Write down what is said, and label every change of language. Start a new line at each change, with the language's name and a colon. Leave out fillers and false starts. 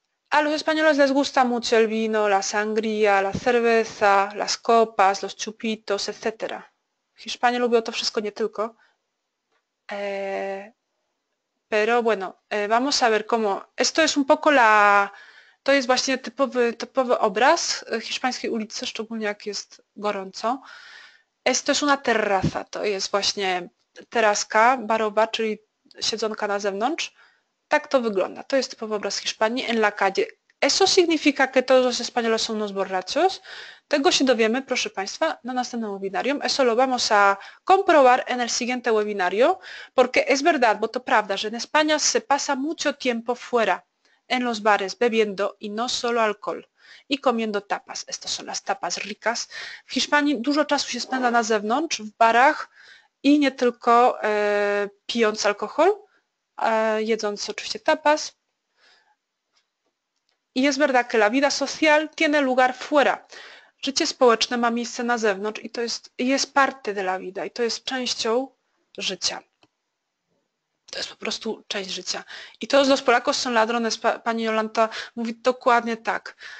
Spanish: A los españoles les gusta mucho el vino, la sangría, la cerveza, las copas, los chupitos, etc.
Polish: Hiszpanie lubią to wszystko, nie tylko.
Spanish: Pero bueno, vamos a ver cómo. Esto es un poco la.
Polish: To jest właśnie typowy obraz hiszpańskiej ulicy, szczególnie jak jest gorąco.
Spanish: Esto es una terraza.
Polish: To jest właśnie teraska barowa, czyli siedzonka na zewnątrz. Tak to wygląda. To jest typowy obraz Hiszpanii
Spanish: en la calle. Eso significa que todos los españoles son unos borrachos.
Polish: Tego się dowiemy, proszę Państwa, na następnym webinarium.
Spanish: Eso lo vamos a comprobar en el siguiente webinario, porque es verdad,
Polish: bo to prawda, że
Spanish: en España se pasa mucho tiempo fuera, en los bares, bebiendo y no solo alcohol. I comiendo tapas. Estas son las tapas ricas.
Polish: W Hiszpanii dużo czasu się spędza na zewnątrz, w barach i nie tylko pijąc alkohol. Jedząc oczywiście tapas.
Spanish: I es verdad que la vida social tiene lugar fuera.
Polish: Życie społeczne ma miejsce na zewnątrz i to jest
Spanish: parte de la vida.
Polish: I to jest częścią życia. To jest po prostu część życia. I to z
Spanish: los Polacos son ladrones,
Polish: pani Jolanta mówi dokładnie tak.